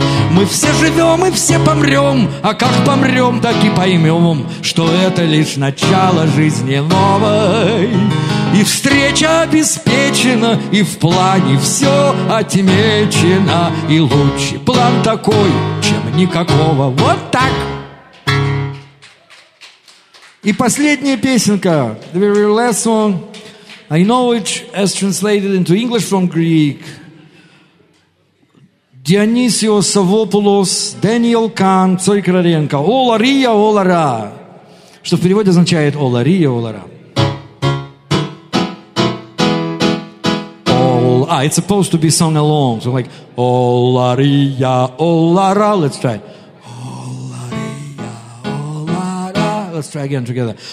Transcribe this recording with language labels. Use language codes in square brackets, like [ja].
[ru] Мы все живем и все помрем, а как помрем, так и поймем, что это лишь начало жизни новой. И встреча обеспечена, и в плане все отмечено, и лучший план такой, чем никакого. Вот так! И последняя песенка, [en] the very last song, I know it as translated into English from Greek. Dionysio Savopoulos, Daniel Kahn, Цой Кроленко. Ола Рия, Ола Ра. [ru] что в переводе означает «О, Лария, о, Лара». [en] It's supposed to be sung along. So like, Olaria, Olara. Let's try. Olaria, Olara. Let's try again together.